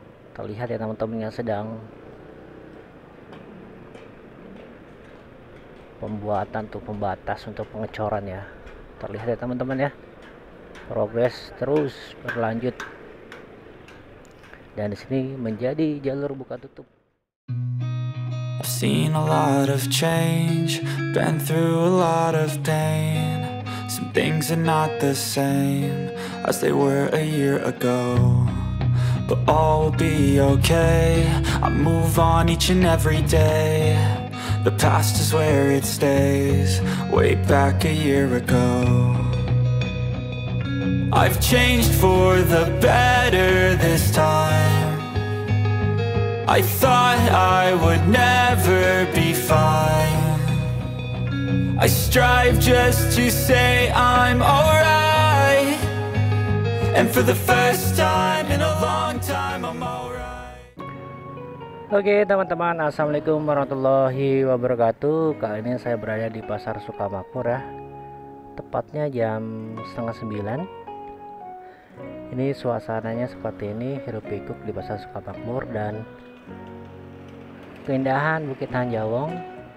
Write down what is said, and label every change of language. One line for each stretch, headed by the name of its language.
Indonesian: Terlihat ya teman-teman yang sedang pembuatan tuh pembatas untuk pengecoran ya. Terlihat ya teman-teman ya. Progres terus berlanjut. Dan di sini menjadi jalur buka tutup.
English: I've seen a lot of change, been through a lot of pain. Some things are not the same as they were a year ago. But all will be okay, I move on each and every day. The past is where it stays, way back a year ago. I've changed for the better this time. I thought I would never be fine. I strive just to say I'm alright. And for the first time in a long time I'm alright.
Indonesian: Oke, teman-teman, assalamualaikum warahmatullahi wabarakatuh. Kali ini saya berada di Pasar Sukamakmur ya. Tepatnya jam 8:30. Ini suasananya seperti ini, hirup pikuk di Pasar Sukamakmur dan keindahan Bukit Hanjawong.